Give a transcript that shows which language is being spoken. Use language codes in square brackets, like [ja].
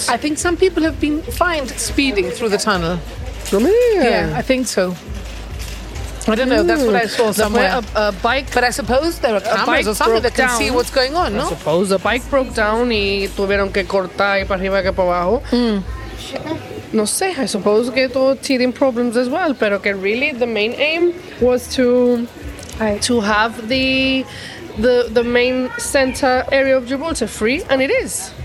[en] I think some people have been fined speeding through the tunnel. [es] No me digas. [en] Yeah, I think so. I don't know, that's what I saw somewhere. A bike... But I suppose there are cameras or something that can down. See what's going on, no? I suppose a bike broke down [es] y tuvieron que cortar y para arriba que para abajo. No sé, [en] I suppose [es] que todo [en] teething problems as well, [es] pero que [en] really the main aim was to have the... the main center area of Gibraltar free, and it is.